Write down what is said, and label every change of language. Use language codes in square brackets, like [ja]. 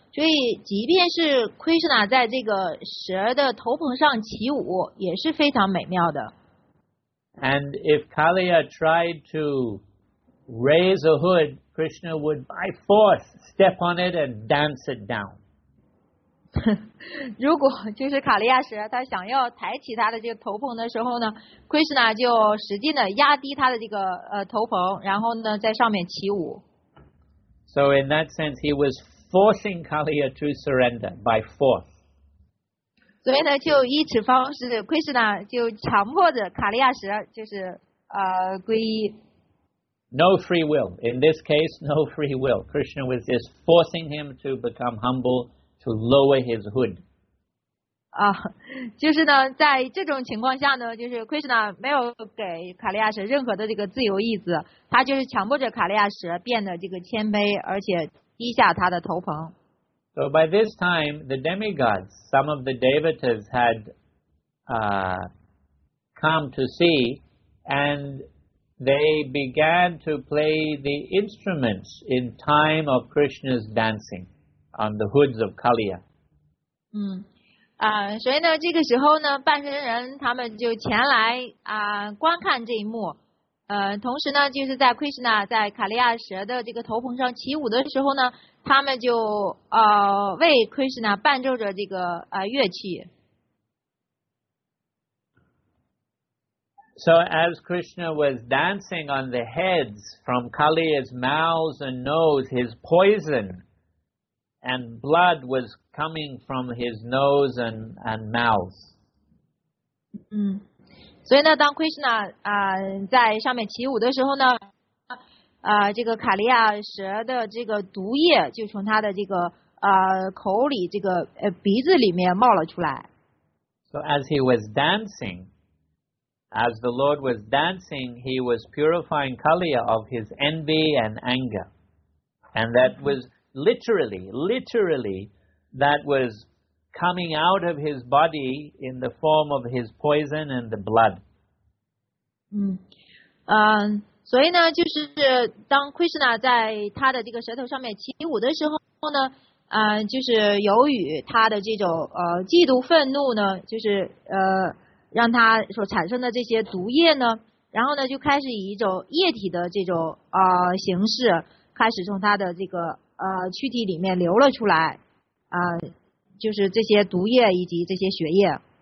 [zh] 所以即便是 Krishna 在这个蛇的头棚上起舞也是非常美妙的。 [en] And if Kaliya tried to raise a hood, Krishna would by force step on it and dance it down. [zh] 如果就是卡利亚蛇他想要抬起他的这个头棚的时候呢 ,Krishna 就使劲的压低他的这个头棚然后呢在上面起舞。 [en] So in that sense, he was forcing Kaliya to surrender by force. [zh] 所以呢就以此方式 ,Krishna 就强迫着卡利亚蛇就是皈依。 [en] No free will. In this case, no free will. Krishna was just forcing him to become humble, to lower his hood. [zh] 啊，就是呢，在这种情况下呢，就是 Krishna 没有给卡利亚蛇任何的这个自由意志，他就是强迫着卡利亚蛇变得这个谦卑，而且低下他的头棚。 [en] So by this time, the demigods, some of the devatas had come to see and they began to play the instruments in time of Krishna's dancing on the hoods of Kaliya. [zh] 嗯，所以呢，这个时候呢，半身人他们就前来观看这一幕。同时呢，就是在 Krishna 在卡利亚蛇的这个头棚上起舞的时候呢，他们就为 Krishna 伴奏着这个乐器。 [en] So as Krishna was dancing on the heads from Kaliya's mouths and nose, his poison and blood was coming from his nose and mouth. [zh] 嗯，所以呢，当 Krishna 在上面起舞的时候呢，这个卡利亚蛇的这个毒液就从他的这个口里这个鼻子里面冒了出来。 [en] So as he was dancing. As the Lord was dancing, he was purifying Kaliya of his envy and anger. And that was literally, that was coming out of his body in the form of his poison and the blood. [zh] 嗯，所以呢，就是当 Krishna 在他的这个舌头上面起舞的时候呢，就是由于他的这种嫉妒愤怒呢，就是让他所产生的这些毒液呢，然后呢就开始以一种液体的这种形式，开始从他的这个躯体里面流了出来，就是这些毒液以及这些血液。